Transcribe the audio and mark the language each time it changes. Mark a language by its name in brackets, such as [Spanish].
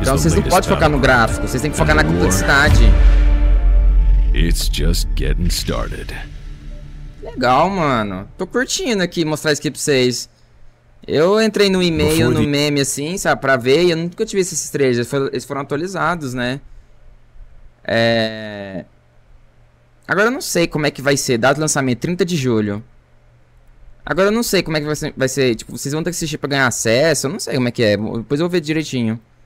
[Portuguese] então, vocês não podem focar no gráfico, vocês têm que focar na complexidade. [English] It's just getting started. [Portuguese] Legal, mano. Tô curtindo aqui mostrar isso aqui pra vocês. Eu entrei no e-mail, no meme, assim, sabe, pra ver, e eu nunca tive esses trailers, eles foram atualizados, né? Agora eu não sei como é que vai ser, dado lançamento 30 de julho. Agora eu não sei como é que vai ser, tipo, vocês vão ter que assistir pra ganhar acesso, eu não sei como é que é, depois eu vou ver direitinho.